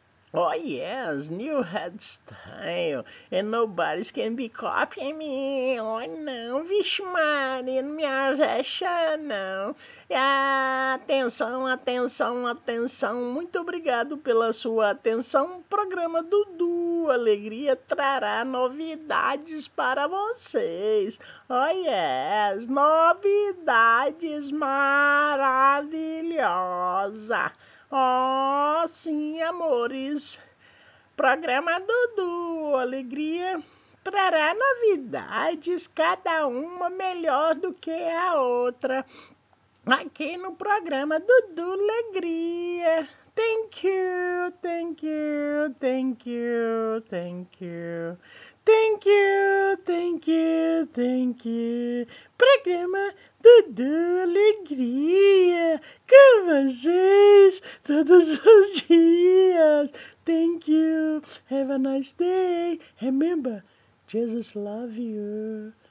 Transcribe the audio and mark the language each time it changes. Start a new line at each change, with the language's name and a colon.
English: Oh yes, new headstyle, and nobody can be copying me.
Portuguese: Oh não, vixe Maria, não me arrecha não. Atenção, atenção, atenção, muito obrigado pela sua atenção. Programa Dudu Alegria trará novidades para vocês.
English: Oh yes,
Portuguese: novidades maravilhosas. Oh, sim, amores. Programa Dudu Alegria trará novidades, cada uma melhor do que a outra. Aqui no programa Dudu Alegria.
English: Thank you, thank you, thank you, thank you. Thank you, thank you, thank you.
Portuguese: Programa Dudu Alegria, com vocês todos os dias.
English: Thank you. Have a nice day. Remember, Jesus love you.